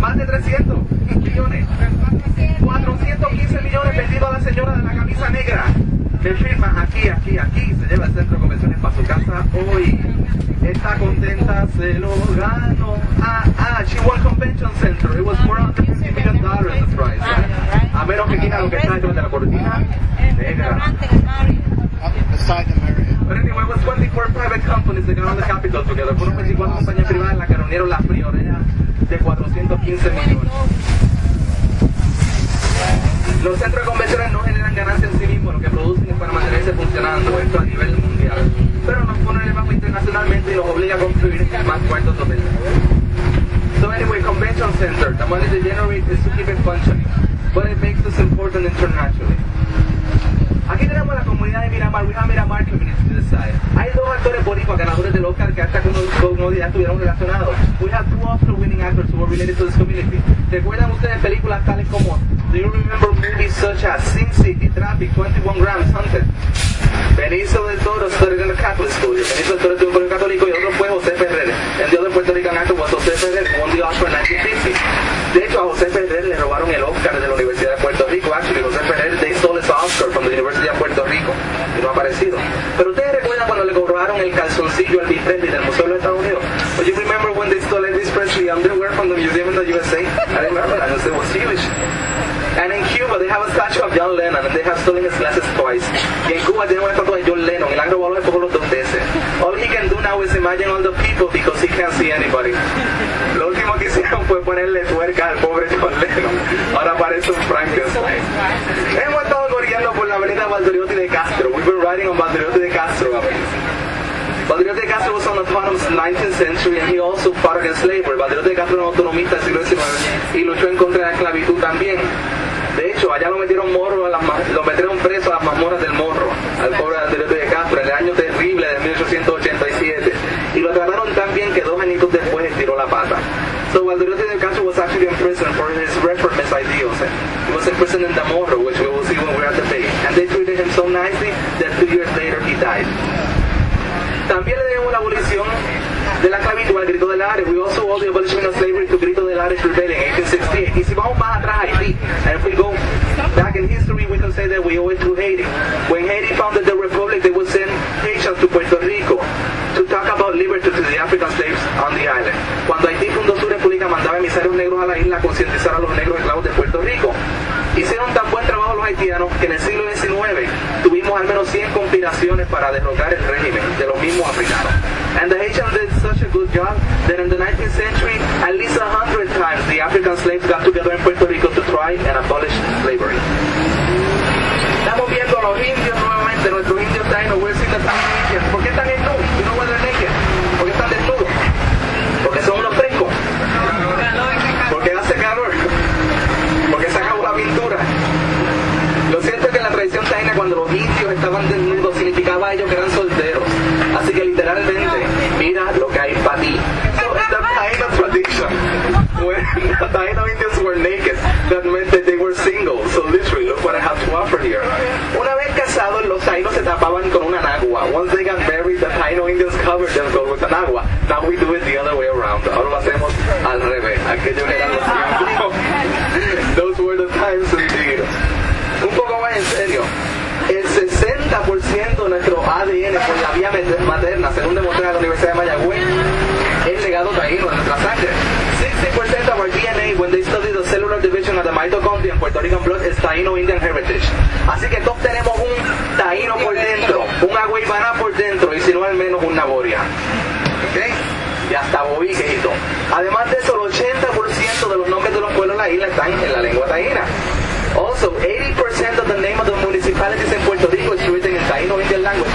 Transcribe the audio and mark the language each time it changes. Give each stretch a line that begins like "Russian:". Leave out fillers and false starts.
Spanish: Más de 300 millones. 415 millones, bendito a la señora de la camisa negra. Me firma aquí, aquí, aquí, se lleva el centro de convenciones para su casa hoy. Está contenta, se lo ganó. Ah, ah,
English: she won convention center. It was $450 million the price.
Spanish: A menos que quiera lo que está dentro de la cortina. Pero
English: anyway, it was 24 private companies that got on the capital together.
Spanish: Fueron 24 compañías privadas en la que reunieron las prioridades de 415 millones. Los centros de convenciones no generan ganancias en sí mismos, lo que producen es para mantenerse funcionando esto a nivel mundial. Pero nos pone el banco internacionalmente y nos obliga a construir más cuartos hoteles.
English: So anyway, convention center, the money they generate is to keep it functioning, but it makes us important internationally.
Spanish: Aquí tenemos la comunidad de Miramar,
English: we have Miramar community to the side.
Spanish: Hay dos actores boricua ganadores del Oscar que hasta con comodidad estuvieron relacionados.
English: We have two Oscar winning actors who were related to this community.
Spanish: ¿Recuerdan ustedes películas tales como,
English: do you remember movies such as Sin City, Traffic, 21 Grams, Hunted? Benicio del Toro started in the Catholic Studio.
Spanish: Benicio del Toro estuvo en el católico y otro fue José Ferrer. El de otro
English: Puerto Rican actor was José Ferrer, won the Oscar in 1950.
Spanish: De hecho, a José Ferrer le robaron el Oscar de la Universidad de Puerto Rico.
English: Actually, José Ferrer, they stole his Oscar from the University of Puerto Rico.
Spanish: Y no ha aparecido. ¿Pero ustedes recuerdan cuando le robaron el calzoncillo al Presley del Museo de los Estados Unidos?
English: Do you remember when they stole Elvis Presley underwear from the Museum in the USA? I remember that. I just, it was huge. And in Cuba, they have a statue of John Lennon, and they have stolen his glasses twice.
Spanish: Y en Cuba tienen una estatua de John Lennon, y la han robado por los dos veces.
English: All he can do now is imagine all the people because he can't see anybody.
Spanish: Lo último que hicieron fue ponerle tuerca al pobre John Lennon. Ahora parece un Frankenstein. Hemos estado corriendo por la avenida Valdoriotti de Castro.
English: We've been riding on Valdoriotti de Castro. Valdoriotti de Castro was on autonomous 19th century and he also fought against slavery.
Spanish: Valdoriotti de Castro era un autonomista del siglo XIX y luchó en contra de la esclavitud también. De hecho, allá lo metieron morro a las, lo metieron preso a las mazmorras del morro, al pobre Valdoriotti de Castro, en el año terrible de 1887. Y lo trataron tan bien que dos añitos después estiró la pata.
English: So Valdoriotti de Castro was actually in prison for his reformist ideals. He was in prison in the morro, which we will see when we're at the bay. And they treated him so nicely that 2 years later he died.
Spanish: También le debemos la abolición de la esclavitud al grito del Ares.
English: We also owe the abolition of slavery to grito del Ares rebellion in 1868.
Spanish: Y si vamos más atrás a Haití,
English: and if we go back in history, we can say that we owe it to Haiti. When Haiti founded the Republic, they would send Haitians to Puerto Rico to talk about liberty to the African slaves on the island.
Spanish: Cuando Haití fundó su república, mandaba emisarios negros a la isla a concientizar a los negros esclavos de Puerto Rico. Hicieron tan buen trabajo los haitianos que en el siglo XIX tuvimos al menos 100 conspiraciones para derrocar el régimen de los mismos africanos.
English: And the Haitians did such a good job that in the 19th century, at least 100 times the African slaves got together in Puerto Rico to try and abolish slavery.
Spanish: Estamos viendo a los indios nuevamente, nuestros indios taínos.
English: We're seeing the Taino Indians.
Spanish: ¿Por qué están en nudo?
English: You know why they're naked?
Spanish: ¿Por qué están desnudos? Porque son unos frescos. Porque hace calor. Porque se acabó la pintura. Lo cierto es que en la tradición taína, cuando los indios estaban desnudos, significaba a ellos que eran solteros. Así que literalmente, mira lo que hay para ti.
English: So, in the Taino tradition, when the Taino Indians were naked, that meant that they were single. So literally, look what I have to offer here.
Spanish: Una vez casados, los Taínos se tapaban con una nagua.
English: Once they got married, the Taino Indians covered themselves with an agua. Now we do it the other way around.
Spanish: Ahora lo hacemos al revés. Aquello que era lo cierto.
English: Those were the times indeed.
Spanish: Un poco más en serio. El 60% de nuestro ADN por la vía materna, según demostra la Universidad de Mayagüez, es legado taíno en nuestra sangre.
English: 60% of our DNA when they study the cellular division of the mitochondria in Puerto Rican blood is Taino Indian heritage.
Spanish: Así que todos tenemos un taíno por dentro, un agüeybaná por dentro, y si no al menos un naboria. ¿Okay? Y hasta Bobby, quejito. Además de eso, el 80% de los nombres de los pueblos de la isla están en la lengua taína.
English: Also, 80% of the name of the municipalities in Puerto Rico is written in Taino Indian language.